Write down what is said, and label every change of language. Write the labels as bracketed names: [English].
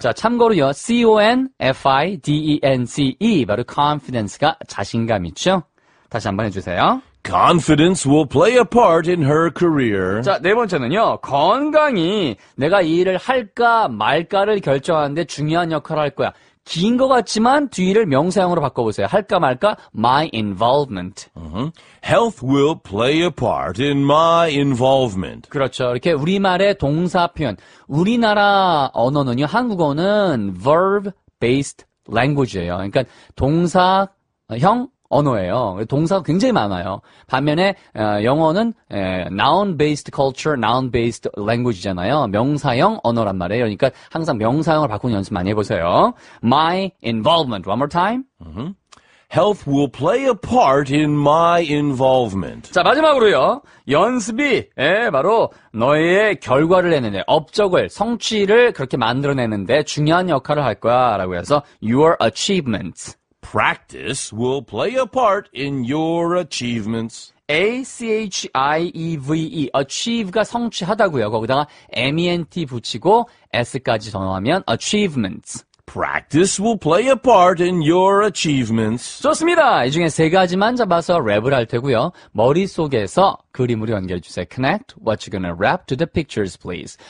[Korean] 자, 참고로요. C-O-N-F-I-D-E-N-C-E. 바로 confidence가 자신감이죠. 다시 한번 해주세요. [English] Confidence will play a part in her career. [Korean] 자, 네 번째는요. 건강이 내가 이 일을 할까 말까를 결정하는데 중요한 역할을 할 거야. 긴 것 같지만 뒤를 명사형으로 바꿔보세요. 할까 말까? [English] My involvement. Health will play a part in my involvement. [Korean] 그렇죠. 이렇게 우리말의 동사 표현. 우리나라 언어는요. 한국어는 verb-based language예요. 그러니까 동사형 언어예요. 동사가 굉장히 많아요. 반면에 영어는 [English] noun-based culture, noun-based language [Korean] 잖아요. 명사형 언어란 말이에요. 그러니까 항상 명사형을 바꾸는 연습 많이 해보세요. [English] My involvement. One more time. Health will play a part in my involvement. [Korean] 자, 마지막으로요. 연습이 바로 너의 결과를 내는데, 업적을, 성취를 그렇게 만들어내는데 중요한 역할을 할 거야 라고 해서 [English] your achievements. Practice will play a part in your achievements. A-C-H-I-E-V-E. [Korean] Achieve가 성취하다고요. 거기다가 M-E-N-T 붙이고 S까지 전화하면 achievements. [English] Practice will play a part in your achievements. [Korean] 좋습니다. 이 중에 세 가지만 잡아서 랩을 할 테고요. 머릿속에서 그림으로 연결해 주세요. [English] Connect what you're gonna rap to the pictures, please.